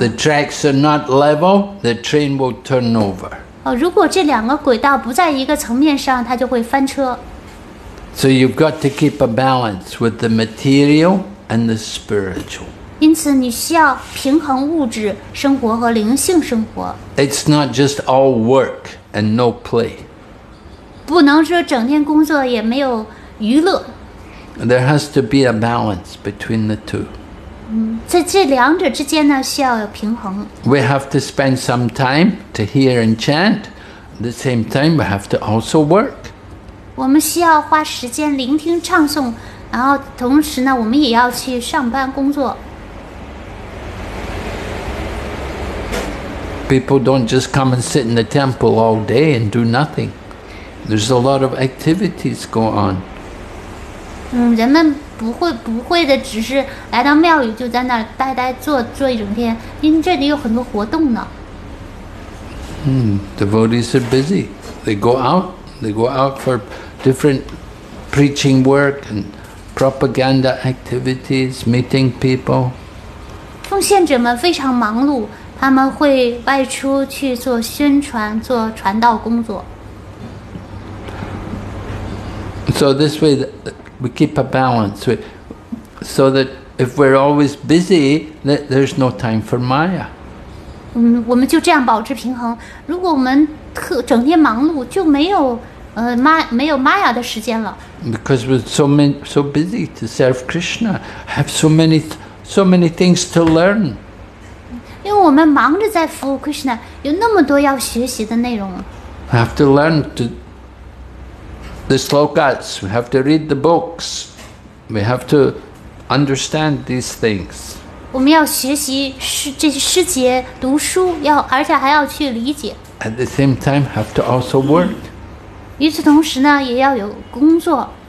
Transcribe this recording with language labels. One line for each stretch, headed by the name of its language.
English: If the tracks are not level, the train will turn over.
Chinese: 如果这两个轨道不在一个层面上，它就会翻车。
English: So you've got to keep a balance with the material and the spiritual.
Chinese: 因此你需要平衡物质生活和灵性生活。
English: It's not just all work and no play.
Chinese: 不能说整天工作也没有娱乐。
English: There has to be a balance between the two.
Chinese: 在这两者之间呢需要有平衡。
English: We have to spend some time to hear and chant. At the same time, we have to also work.
Chinese: 我们需要花时间聆听唱诵，然后同时呢我们也要去上班工作。
English: People don't just come and sit in the temple all day and do nothing. There's a lot of activities go on.
Chinese: 人们不会的只是来到庙宇就在那儿呆呆坐一整天，因为这里有很多活动呢。
English: Devotees are busy. They go out. They go out for different preaching work and propaganda activities, meeting people.
Chinese: 奉献者们非常忙碌。他们会外出去做宣传，做传道工作。
English: So this way, we keep a balance. So that if we're always busy, there's no time for Maya.
Chinese: 我们就这样保持平衡。如果我们整天忙碌，就没有 Maya 的时间了。
English: Because we're so busy to serve Krishna, have so many things to learn.
Chinese: 因为我们忙着在服务 Krishna, 有那么多要学习的内容。
English: I have to learn the slokas, we have to read the books, we have to understand these things.
Chinese: 我们要学习这些诗节读书，而且还要去理解。
English: At the same time, have to also work.
Chinese: 与此同时呢，也要有工作。